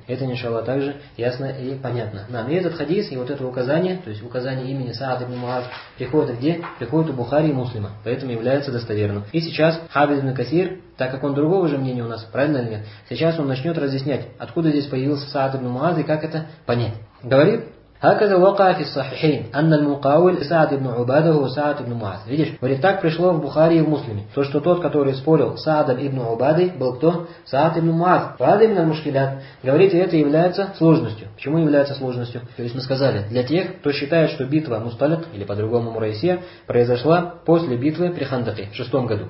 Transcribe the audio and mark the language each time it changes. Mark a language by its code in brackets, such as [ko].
[ru] Это, иншаллах, также ясно и понятно нам. И этот хадис, и вот это указание, то есть указание имени Саад ибн Муаз, приходит где? Приходит у Бухари и Муслима. Поэтому является достоверным. И сейчас Хабиб ибн Касир, так как он другого же мнения у нас, правильно или нет, сейчас он начнет разъяснять, откуда здесь появился Саад ибн Муаз и как это понять. Говорит, [ar] هكذا وقع في الصحيحين أن المقاول سعد بن عبادة هو سعد بن معاذ. [ru] Видишь, говорит, так пришло в Бухари и в Муслиме. То, что тот, который спорил с Саадом ибн Убадой, был кто? Саад ибн Муаз. [ar] Фаадим на мушкилят. [ru] Говорит, и это является сложностью. Почему является сложностью? То есть мы сказали, для тех, кто считает, что битва Мусталик, или по-другому Мурайсия, произошла после битвы при Хандаке в 6 году.